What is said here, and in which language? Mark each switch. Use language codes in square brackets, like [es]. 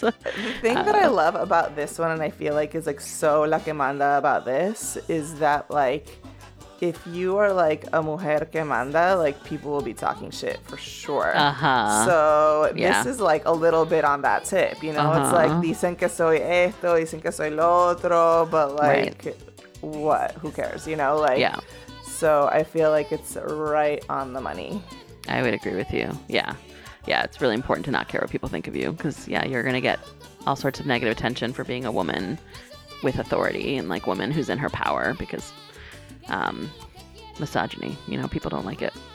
[en] The thing that I love about this one, and I feel like is, like, so La Quemanda about this, is that, like, if you are, like, a [es] mujer quemanda, [en] like, people will be talking shit for sure. So this is, like, a little bit on that tip, you know? It's like, [es] dicen que soy esto, dicen que soy lo otro, [en] but, like, what? Who cares, you know? Like, so I feel like it's right on the money. I would agree with you. Yeah. Yeah, it's really important to not care what people think of you because, yeah, you're going to get all sorts of negative attention for being a woman with authority and, like, woman who's in her power because misogyny, you know, people don't like it.